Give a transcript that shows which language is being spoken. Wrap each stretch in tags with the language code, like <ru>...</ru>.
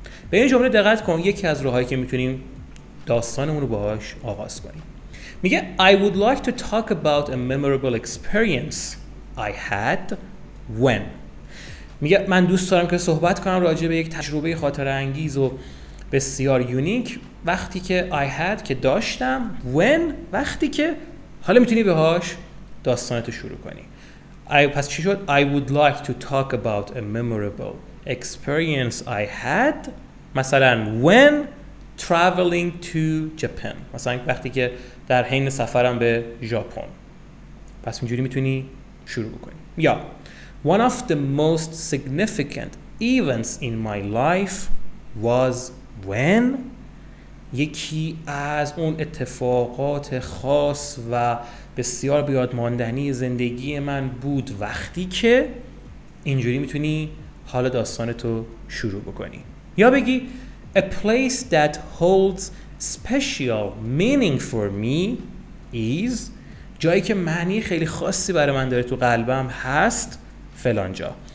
<fa>به این جمله دقت کن، یکی از راهایی که میتونیم داستانمون رو باهاش آغاز کنیم، میگه</fa> <en>I would like to talk about a memorable experience I had when.</en> <fa>میگه من دوست دارم که صحبت کنم راجع به یک تجربه خاطر انگیز و بسیار یونیک، وقتی که</fa> <en>I had،</en> <fa>که داشتم، when، وقتی که. حالا میتونی بهاش داستانتو شروع کنی.</fa> <en>پس چی شد؟ I would like to talk about a memorable experience I had.</en> <fa>مثلا</fa> <en>when traveling to Japan،</en> <fa>مثلا وقتی که در حین سفرم به ژاپن. پس اینجوری میتونی شروع کنی.</fa> <en>یا one of the most significant events in my life was when.</en> <fa>یکی از اون اتفاقات خاص و بسیار بیادماندنی زندگی من بود وقتی که. اینجوری میتونی حال داستانتو شروع بکنی. یا بگی</fa> <en>a place that holds special meaning for me is،</en> <fa>جایی که معنی خیلی خاصی برای من داره تو قلبم هست فلانجا.</fa>